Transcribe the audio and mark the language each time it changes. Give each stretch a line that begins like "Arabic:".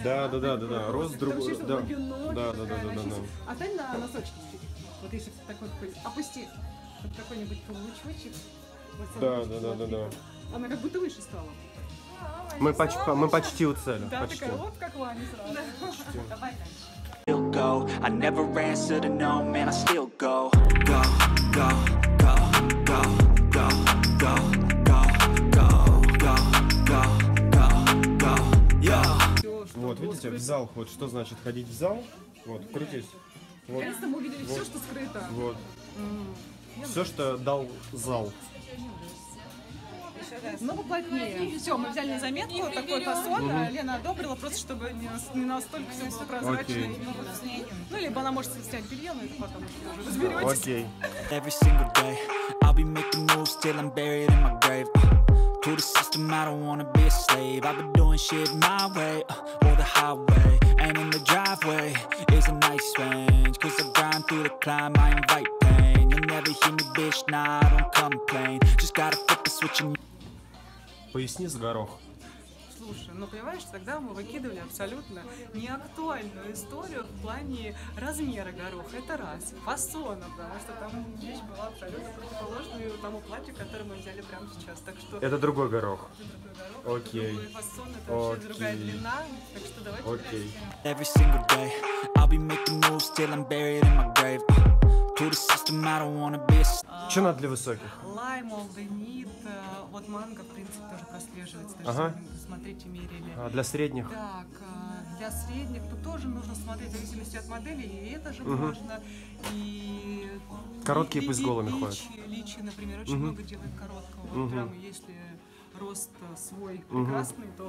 Russian: Да. Рост другой. А дай на носочки чуть-чуть. Вот если кто-то такой какой-то. Опусти. Вот какой-нибудь получочек. Да. Она как будто выше стала. Мы почти у цели. Да, почти. Такая, вот как Ваня сразу. Почти. Давай дальше.
English: I never answer to no, man, I still go. Go, go.
Russian: Вот, видите, в зал ход. Что значит ходить в зал? Вот, крутись. Вот. Наконец-то мы увидели все, что скрыто. Вот. Все, что дал зал. Ну, поплотнее. Все, мы взяли заметку, такой фасон. Лена одобрила, просто чтобы не настолько все было прозрачно. Ну, либо она может снять белье, но это потом уже разберетесь. Окей.
English: Every single day I'll be making moves till I'm buried in my grave. To the system, I don't wanna be a slave. I've been doing shit my way, or the highway. And in the driveway is a nice range. Cause I grind through the climb, I invite pain. You'll never hear me, bitch, nah, I don't complain. Just gotta flip the switch and...
Russian: Поясни за горох. Слушай, ну понимаешь, тогда мы выкидывали абсолютно неактуальную историю в плане размера гороха. Это раз. Фасона, потому что там вещь была абсолютно противоположной тому платью, которое мы взяли прямо сейчас. Так что... Это другой горох. Окей. Окей.
English: Every single day I'll be making moves till I'm buried in my grave. To the system, I don't wanna be.
Russian: Что надо для высоких? Лайм, алденит, вот манго, в принципе, тоже прослеживается. Даже смотрите, мерили. А для средних? Так, для средних, то тоже нужно смотреть в зависимости от модели, и это же можно. И короткие пусть голыми ходят. Личи, например, очень много делают короткого. Прям если рост свой прекрасный, то